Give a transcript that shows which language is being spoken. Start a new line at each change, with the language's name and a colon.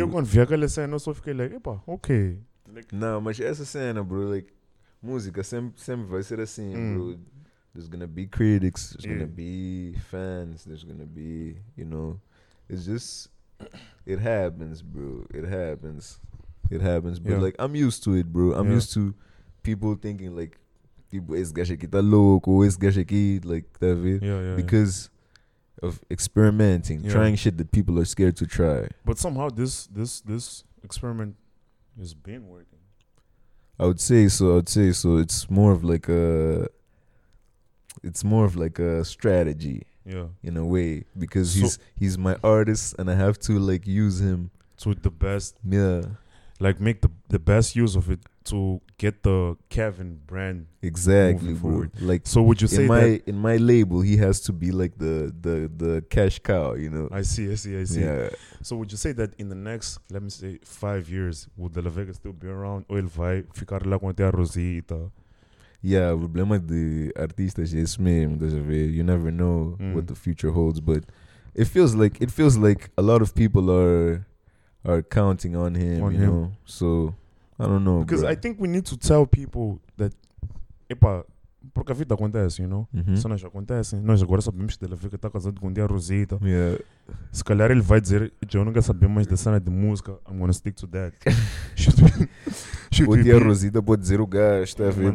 Portuguese: Eu quando vi aquela cena, eu só fiquei like, epa, ok.
English: Like,
Portuguese: não, mas essa cena, bro, like, música sempre vai ser assim, bro.
English: There's gonna be critics, there's gonna be fans, there's gonna be, you know, it's just, it happens, bro, it happens, but like, I'm used to it, bro, I'm used to people thinking like,
Portuguese: tipo, esse gajo aqui
English: tá louco, esse gajo aqui, like, David, because of experimenting, trying shit that people are scared to try. But somehow this experiment has been working. I would say so, it's more of like a... It's more of like a strategy, in a way, because he's my artist, and I have to like use him to the best, like make the best use of it to get the Kevin brand exactly forward. Like, so would you say in my label he has to be like the cash cow, you know? I see. Yeah. So would you say that in the next, let me say, 5 years, would De La Vega still be around?
Portuguese: Ou ele vai ficar lá com a Rosita? Yeah, o problema de artistas é esse mesmo, deixa ver.
English: You never know what the future holds, but it feels like a lot of people are counting on him, you know. So I don't know. Because I think we need to tell people that, epa,
Portuguese: porque a vida acontece,
English: you know?
Portuguese: Isso não já acontece. Nós agora sabemos que De La Vega está casado com Dia Rosita.
English: Yeah.
Portuguese: Se calhar ele vai dizer, eu nunca sabia mais da cena de música.
English: I'm gonna stick to that.
Portuguese: O Dia Rosita pode dizer o gajo, tá vendo?